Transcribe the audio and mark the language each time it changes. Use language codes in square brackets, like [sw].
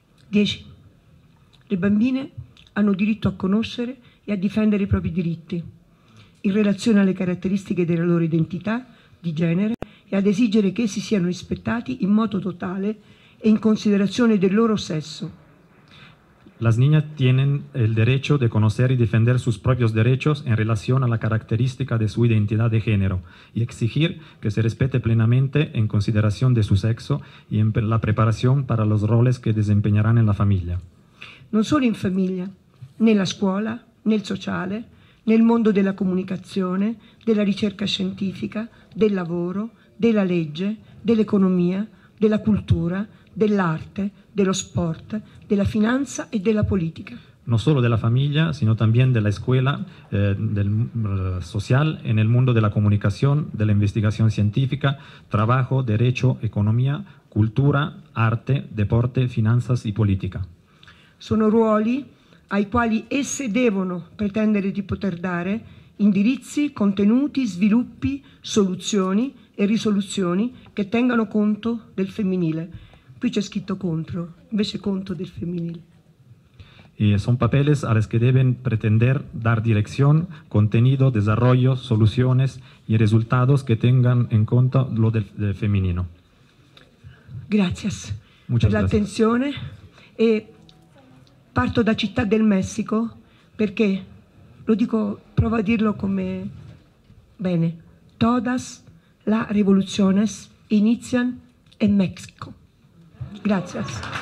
[it] 10. Le bambine hanno diritto a conoscere y a difendere i propri diritti in relazione alle caratteristiche della loro identità di genere e ad esigere che essi siano rispettati in modo totale e in considerazione del loro sesso. [es] Las niñas tienen el derecho de conocer y defender sus propios derechos en relación a la característica de su identidad de género y exigir que se respete plenamente en consideración de su sexo y en la preparación para los roles que desempeñarán en la familia. [it] Non solo in famiglia, nella scuola, nel sociale, nel mondo della comunicazione, della ricerca scientifica, del lavoro, della legge, dell'economia, della cultura, dell'arte, dello sport, della finanza e della politica. Non solo della famiglia, [es] sino también de la escuela, del social, en el mundo de la comunicación, de la investigación científica, trabajo, derecho, economía, cultura, arte, deporte, finanzas y política. [it] Sono ruoli ai quali esse devono pretendere di poter dare indirizzi, contenuti, sviluppi, soluzioni e risoluzioni che tengano conto del femminile. Qui c'è scritto contro, invece conto del femminile. [es] Y son papeles a los que deben pretender dar dirección, contenido, desarrollo, soluciones y resultados que tengan en cuenta lo del femenino. Gracias. Muchas gracias. [it] L'attenzione. E parto da Città del Messico perché, lo dico, provo a dirlo come bene, [es] todas las revoluciones inician en México. Gracias.